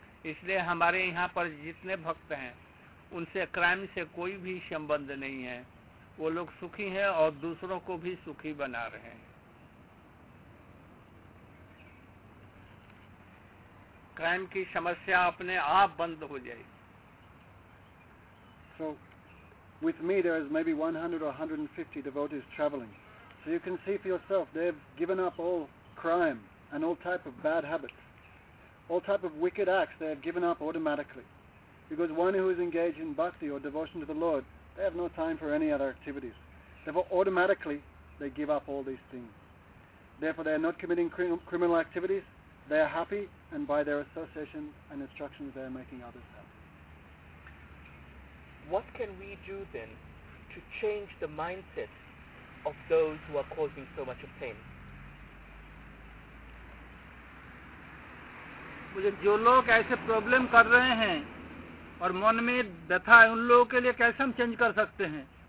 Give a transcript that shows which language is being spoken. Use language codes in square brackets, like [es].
[hi] इसलिए हमारे यहाँ पर जितने भक्त हैं उनसे क्राइम से कोई भी संबंध नहीं है, वो लोग सुखी हैं और दूसरों को भी सुखी बना रहे हैं। क्राइम की समस्या अपने आप बंद हो जाएगी। [en] So, with me there is maybe 100 or 150 devotees traveling. So you can see for yourself, they've given up all crime and all type of bad habits, all type of wicked acts, they have given up automatically. Because one who is engaged in bhakti or devotion to the Lord, they have no time for any other activities. Therefore, automatically, they give up all these things. Therefore, they are not committing criminal activities, they are happy, and by their association and instructions, they are making others happy. What can we do then to change the mindset of those who are causing so much of pain? [hi] जो लोग ऐसे problem कर रहे हैं और मन में व्यथा है, उन लोगों के लिए कैसे हम चेंज कर सकते हैं?